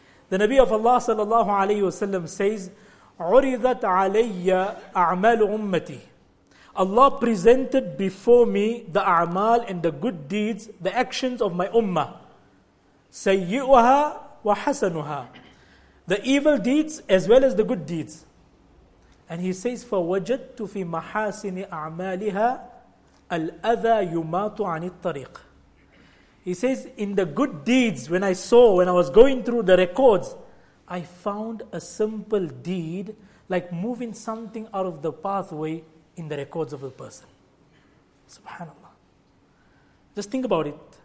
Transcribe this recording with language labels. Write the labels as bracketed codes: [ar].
[en] The Nabi of Allah sallallahu alayhi wasallam says, [ar] عُرِضَتْ عَلَيَّ أَعْمَالُ أُمَّتِي. [en] Allah presented before me the a'mal and the good deeds, the actions of my ummah. [ar] سَيِّئُهَا وَحَسَنُهَا. [en] The evil deeds as well as the good deeds. And he says, [ar] فَوَجَدْتُ فِي مَحَاسِنِ أَعْمَالِهَا الْأَذَى يُمَاتُ عَنِ الطَّرِيقِ. [en] He says, in the good deeds, when I was going through the records, I found a simple deed, like moving something out of the pathway in the records of a person. Subhanallah. Just think about it.